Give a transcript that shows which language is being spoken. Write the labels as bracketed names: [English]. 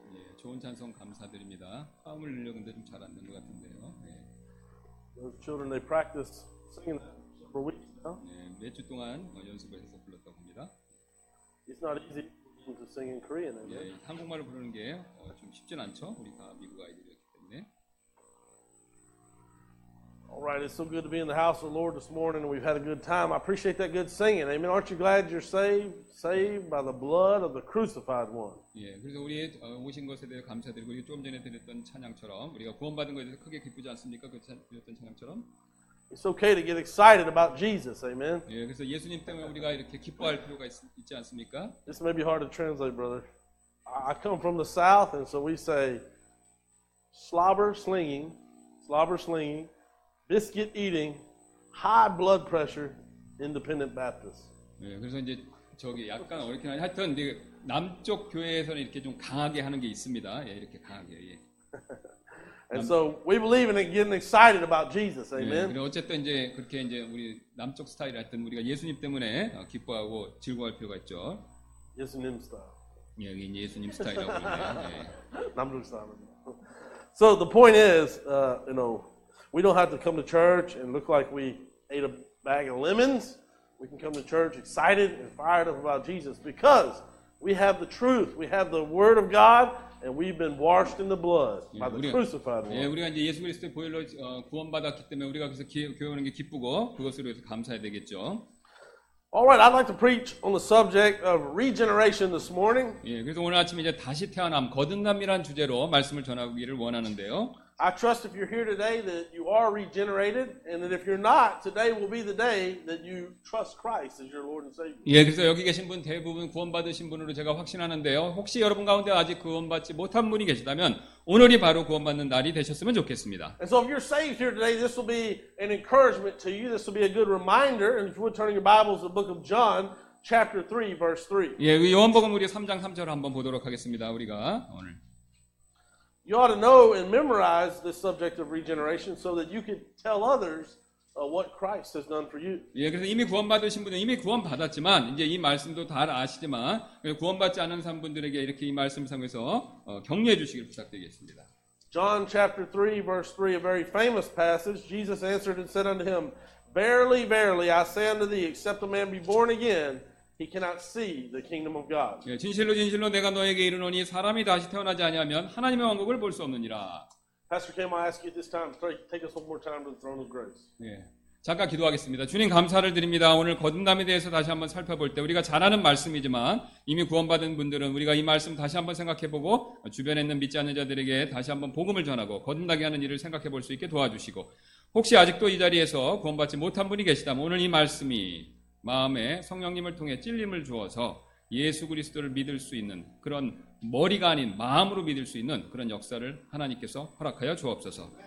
[Korean] 예, 좋은 찬송 감사드립니다. 화음 울리려는데 좀 잘 안 되는 것 같은데요. 예. [English] Those children they practice singing for weeks now. [Korean] 예, 몇주 동안 연습을 해서 불렀다고 합니다. [English] It's not easy to sing in Korean. [Korean] 예, 한국말을 부르는 게 좀 쉽진 않죠. 우리 다 미국 아이들이었기 때문에. [English] All right, it's so good to be in the house of the Lord this morning. We've had a good time. I appreciate that good singing. Amen. Aren't you glad you're saved? Saved by the blood of the crucified one. [Korean] 예, 그래서 우리 오신 것에 대해 감사드리고 우리 조금 전에 드렸던 찬양처럼 우리가 구원받은 것에 대해서 크게 기쁘지 않습니까? 그 드렸던 찬양처럼. [English] It's okay to get excited about Jesus. Amen. [Korean] 예, 그래서 예수님 때문에 우리가 이렇게 기뻐할 필요가 있지 않습니까? [English] This may be hard to translate, brother. I come from the south, and so we say slobber slinging, biscuit eating, high blood pressure, independent Baptist. [Korean] 예, 그래서 이제 저기 약간 어렵긴 하지만 하여튼 이제 남쪽 교회에서는 이렇게 좀 강하게 하는 게 있습니다. 예, 이렇게 강하게. 예. And so we believe in getting excited about Jesus. Amen. 네, 어쨌든 이제 그렇게 이제 우리 남쪽 스타일 하여튼 우리가 예수님 때문에 기뻐하고 즐거워할 필요가 있죠. 예수님 스타일. 예, 여기 예수님 스타일이라고 있네요. 예. 남쪽 스타일. [English] So the point is, you know, we don't have to come to church and look like we ate a bag of lemons. We can come to church excited and fired up about Jesus because we have the truth. We have the Word of God, and we've been washed in the blood by the crucified one. [Korean] 예, 우리가 이제 예수 그리스도의 보혈로 구원받았기 때문에 우리가 그래서 교회하는 게 기쁘고 그것으로 해서 감사해야 되겠죠. [English] All right, I'd like to preach on the subject of regeneration this morning. [Korean] 예, 그래서 오늘 아침에 이제 다시 태어남, 거듭남이란 주제로 말씀을 전하기를 원하는데요. [English] I trust if you're here today that you are regenerated, and that if you're not, today will be the day that you trust Christ as your Lord and Savior. [Korean] 예, 그래서 여기 계신 분 대부분 구원받으신 분으로 제가 확신하는데요. 혹시 여러분 가운데 아직 구원받지 못한 분이 계시다면 오늘이 바로 구원받는 날이 되셨으면 좋겠습니다. [English] And so if you're saved here today, this will be an encouragement to you. This will be a good reminder. And if you would turn your Bibles to the book of John, chapter 3, verse 3. [Korean] 예, 요한복음 우리 3장 3절 한번 보도록 하겠습니다. 우리가 오늘. [English] You ought to know and memorize the subject of regeneration so that you could tell others what Christ has done for you. [Korean] 예, 그래서 이미 구원받으신 분은 이미 구원받았지만 이제 이 말씀도 다 아시지만 구원받지 않은 사람 분들에게 이렇게 이 말씀을 통해서 격려해 주시길 부탁드리겠습니다. [English] John chapter 3 verse 3, a very famous passage. Jesus answered and said unto him, Verily, verily, I say unto thee, except a man be born again, He cannot see the kingdom of God. [Korean] 예, 진실로 진실로 내가 너에게 이르노니 사람이 다시 태어나지 아니하면 하나님의 왕국을 볼 수 없느니라. [English] Pastor Kim, I ask you this time to take us one more time to the throne of grace. [Korean] 예, 잠깐 기도하겠습니다. 주님 감사를 드립니다. 오늘 거듭남에 대해서 다시 한번 살펴볼 때 우리가 잘 아는 말씀이지만 이미 구원받은 분들은 우리가 이 말씀 다시 한번 생각해보고 주변에 있는 믿지 않는 자들에게 다시 한번 복음을 전하고 거듭나게 하는 일을 생각해볼 수 있게 도와주시고 혹시 아직도 이 자리에서 구원받지 못한 분이 계시다면 오늘 이 말씀이 마음에 성령님을 통해 찔림을 주어서 예수 그리스도를 믿을 수 있는 그런 머리가 아닌 마음으로 믿을 수 있는 그런 역사를 하나님께서 허락하여 주옵소서.